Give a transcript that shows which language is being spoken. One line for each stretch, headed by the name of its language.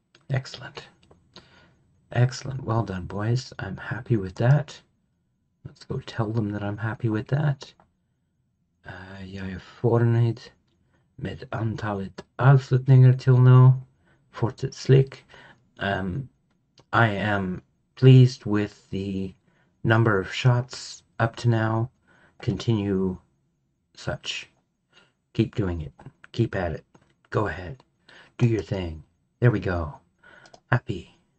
English: Excellent. Excellent. Well done, boys. I'm happy with that. Let's go tell them that I'm happy with that.
Swedish: Jag är förnöjd med antalet avslutningar till nu. Fortsätt slick.
English: I am pleased with the number of shots up to now. Continue such. Keep doing it. Keep at it. Go ahead. Do your thing. There we go. Happy.